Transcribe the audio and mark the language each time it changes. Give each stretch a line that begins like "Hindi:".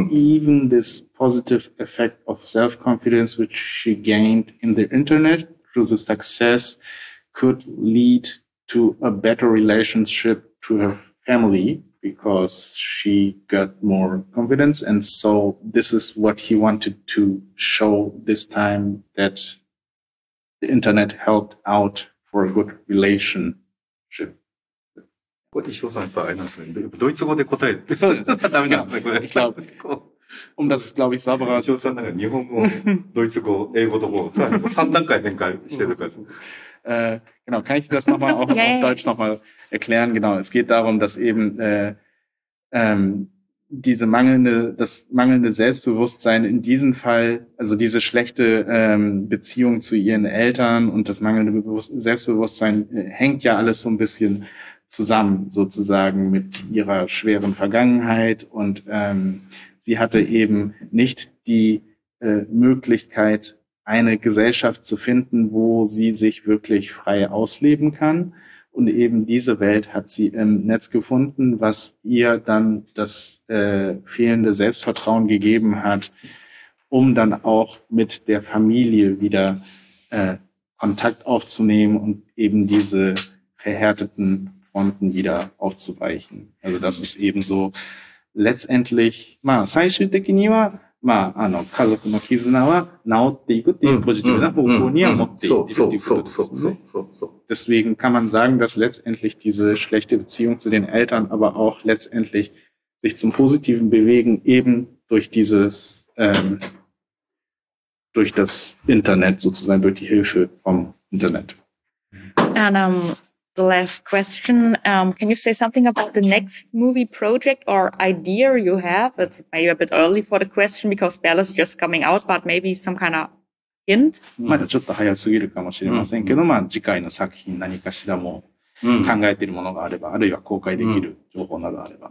English: Even this positive effect of self-confidence which she gained in the internet through the success could lead to a better relationship to her family because she got more confidence. And so this is what he wanted to show this time, that the internet helped out for a good relationship.
Japanese: これ石尾さんやっぱあれなんですね。ドイツ語で答えて。そうです。ダメなんですね、これ。
German: Glaube ich, Sabra.
Japanese: 石尾さんなんか日本語、ドイツ語、英語とも3段階変化してるから。
German: genau, kann ich das nochmal auf, auf Deutsch nochmal erklären? Genau, es geht darum, dass eben, das mangelnde Selbstbewusstsein in diesem Fall, also diese schlechte Beziehung zu ihren Eltern und das mangelnde Selbstbewusstsein hängt ja alles so ein bisschen zusammen sozusagen mit ihrer schweren Vergangenheit. Und sie hatte eben nicht die Möglichkeit, eine Gesellschaft zu finden, wo sie sich wirklich frei ausleben kann. Und eben diese Welt hat sie im Netz gefunden, was ihr dann das fehlende Selbstvertrauen gegeben hat, um dann auch mit der Familie wieder Kontakt aufzunehmen und eben diese verhärteten Fronten wieder aufzuweichen. Also das ist eben so letztendlich,
Japanese: まあ最終的には、まあ家族の絆は治っていくっていうポジティブな方向には持っていくっていうことですね。
German: Deswegen kann man sagen, dass letztendlich diese schlechte Beziehung zu den Eltern, aber auch letztendlich sich zum Positiven bewegen, eben durch dieses, durch das Internet sozusagen, durch die Hilfe vom Internet.
English: The last question. Can you say something about the next movie project or idea you have? It's maybe a bit early for the question because Belle is just coming out, but maybe some kind of hint?
Japanese: まだちょっと早すぎるかもしれませんけど、まあ次回の作品何かしらも考えているものがあれば、あるいは公開できる情報などあれば。